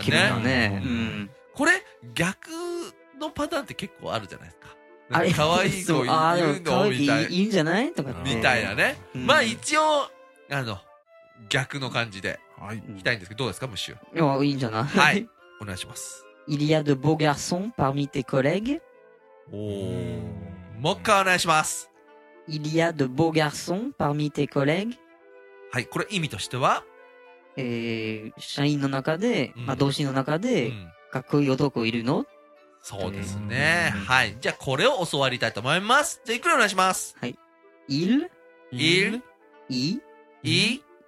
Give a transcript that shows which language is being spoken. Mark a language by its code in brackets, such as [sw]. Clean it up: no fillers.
[ja] 何が起きるんだね。うん、これ、逆、のパターンって結構あるじゃないですか。なんか可愛い子いるのみたいな。いいんじゃないとかって。みたいなね。まあ一応、逆の感じで、はい、行きたいんですけど、どうですか、ムッシュ。いや、いいんじゃない、はい。お願いします。 [fr] Il y a de beaux garçons parmi tes collègues? [ja] おー。もう一回お願いします。 [fr] Il y a de beaux garçons parmi tes collègues? [ja] はい、これ意味としては社員の中で、まあ、同士の中で、うん、かっこいい男いるのそうですね。はい。じゃあこれを教わりたいと思います。じゃあゆっくりお願いします。はい。 [fr] il il i i